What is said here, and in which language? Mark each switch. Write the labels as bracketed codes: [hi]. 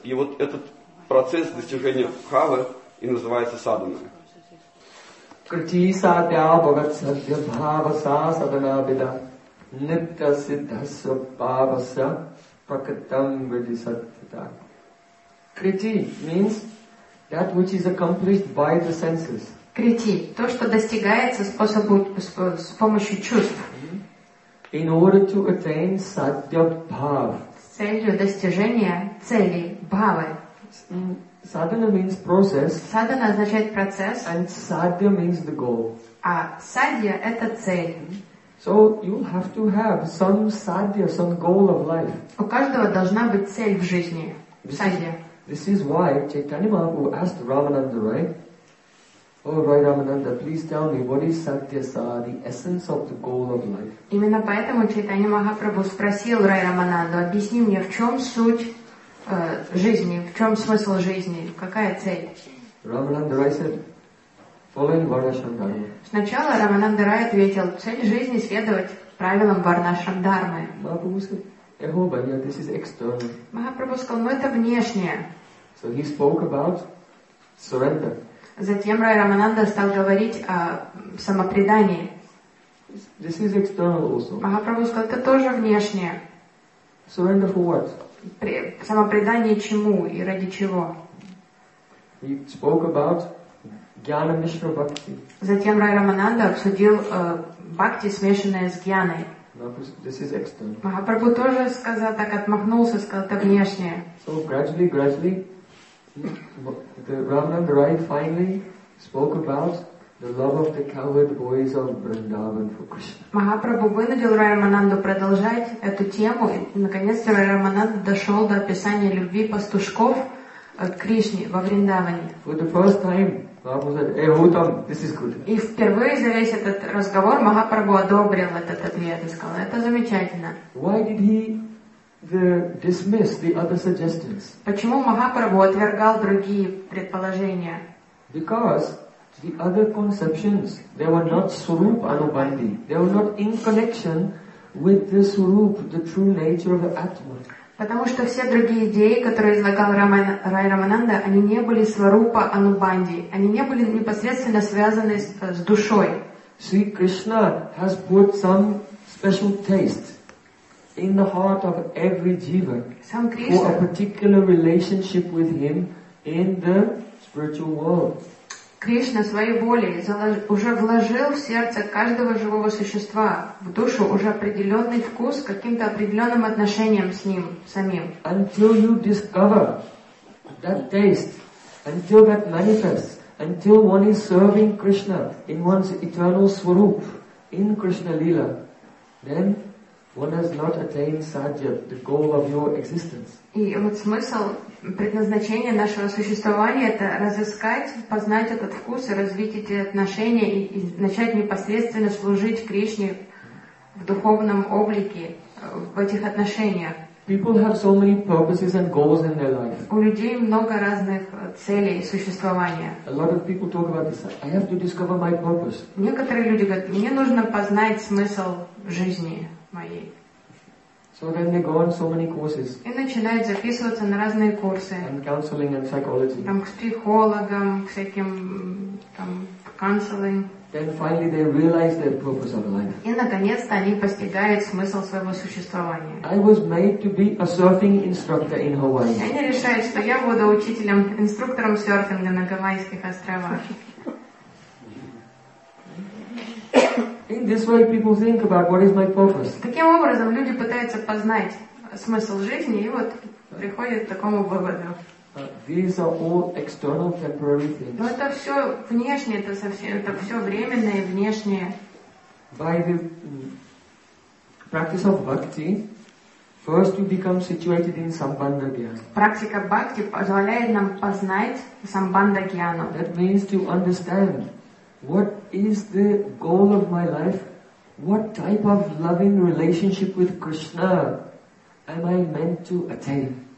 [ru] И вот этот процесс достижения бхавы и называется садханой. [sa] Крити садья бхагат садья бхаваса садхана бида нитта сиддхасва бхаваса пракатам види саттита. [en] Крити means that which is accomplished by the senses. [ru] Крити – то, что достигается с помощью чувств. [en] In order to attain sadhya bhav. [ru] Целью достижения цели, бхавы. [en] Sadhana means process. [ru] Sadhana означает процесс. [en] And sadhya means the goal. [ru] А sadhya – это цель. [en] So you'll have to have some sadhya, some goal of life. [ru] У каждого должна быть цель в жизни. [en] Sadhya. This is why Chaitanya Mahaprabhu asked Ramananda, right? Oh, right, Ramananda, please tell me, what is satyasa, the essence of the goal of life? [ru] Именно поэтому Чайтанья Махапрабху спросил Рай Рамананду, объясни мне, в чем суть жизни, в чем смысл жизни, какая цель? [en] Ramananda Rai said, following Varnashram Dharma. [ru] Сначала Рамананда Рай ответил, цель жизни следовать правилам Варнашрам Дармы. [en] Махапрабху said, [bn] эхо, баня, [en] this is external. [ru] Махапрабху сказал, ну это внешнее. [en] So he spoke about surrender. [ru] Затем Рай Рамананда стал говорить о самопредании. [en] This is external also. [ru] Махапрабху сказал, это тоже внешнее. [en] Surrender for what? [ru] Самопредание чему и ради чего? [en] He spoke about Jnana Mishra Bhakti. [ru] Затем Рай Рамананда обсудил бхакти, смешанное с гьяной. [en] This is external. [ru] Махапрабху тоже сказал, так отмахнулся, сказал, это внешнее. [en] So gradually, the Ramananda Rai finally spoke about the love of the cowherd boys of Vrindavan for Krishna. [ru] Махапрабху вынудил Рай Рамананду продолжать эту тему, и наконец-то Рай Рамананда дошел до описания любви пастушков к Кришне во Вриндаване. [en] For the first time, Махапрабху said, [bn] "Hey, Uttam, [en] this is good." [ru] И впервые за весь этот разговор Махапрабху одобрил этот ответ и сказал, "Это замечательно." [en] Why did he dismiss the other suggestions? [ru] Почему Махапрабху отвергал другие предположения? [en] Because the other conceptions, they were not Surup Anubandhi. They were not in connection with the Surup, the true nature of the Atma. [ru] Потому что все другие идеи, которые излагал Рай Рамананда, они не были Сварупа Анубандхи. Они не были непосредственно связаны с душой. [en] Sri Krishna has put some special taste in the heart of every jiva for a particular relationship with Him in the spiritual world. [ru] Кришна своей волей уже вложил в сердце каждого живого существа, в душу уже определенный вкус к каким-то определенным отношениям с Ним самим. [en] Until you discover that taste, until that manifests, until one is serving Krishna in one's eternal swarup, in Krishna Lila, then one has not attained sadhya, the goal of your existence. [ru] И вот смысл предназначения нашего существования это разыскать, познать этот вкус и развить эти отношения и начать непосредственно служить Кришне в духовном облике в этих отношениях. [en] People have so many purposes and goals in their life. [ru] У людей много разных целей существования. [en] A lot of people talk about this. I have to discover my purpose. [ru] Некоторые люди говорят, мне нужно познать смысл жизни. Моей. [en] So then they go on so many courses. [ru] И начинают записываться на разные курсы. [en] And counseling and psychology. [ru] Там к психологам, к всяким там counseling. [en] Then finally they realize their purpose of life. [ru] И наконец-то они постигают смысл своего существования. [en] I was made to be a surfing instructor in Hawaii. [ru] И они решают, что я буду учителем, инструктором серфинга на Гавайских островах. [en] In this way, people think about what is my purpose. [ru] Таким образом, люди пытаются познать смысл жизни, и вот приходят к такому выводу. [en] These are all external, temporary things. [ru] Но это все внешнее, это совсем, это все временное, внешнее. [en] By the practice of bhakti, first you become situated in sambandha gyana. [ru] Практика бхакти позволяет нам познать сампанда гьяну. [en] That means to understand. What is the goal of my life? What type of loving relationship with Krishna am I meant to attain?